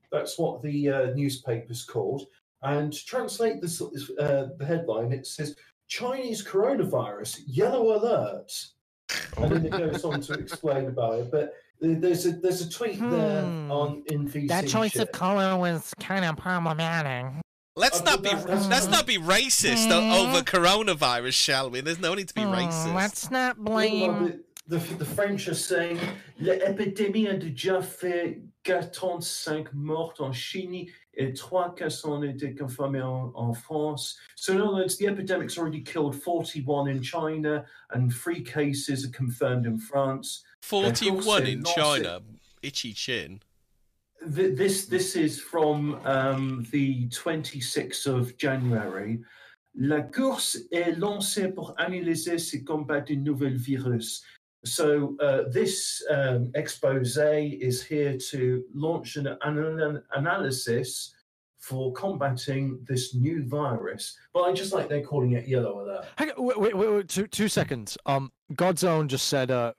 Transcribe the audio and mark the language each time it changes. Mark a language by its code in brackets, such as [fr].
[en] That's what the newspaper's called. And to translate this, the headline, it says, Chinese coronavirus, yellow alert. And then it goes on to explain about it, but... There's a tweet in VC. That choice of color was kind of problematic. Let's not be racist over coronavirus, shall we? There's no need to be racist. Let's not blame the French are saying [fr] l'épidémie a déjà fait 45 morts en Chine et 3 cas ont été confirmés en France. [en] So in other words, the epidemic's already killed 41 in China and 3 cases are confirmed in France. 41 in China. Itchy chin. This is from the 26th of January. [fr] La course est lancée pour analyser ce combat du nouvel virus. [en] So this expose is here to launch an analysis for combating this new virus. But I just like they're calling it yellow alert. Wait, 2 seconds. Godzone just said...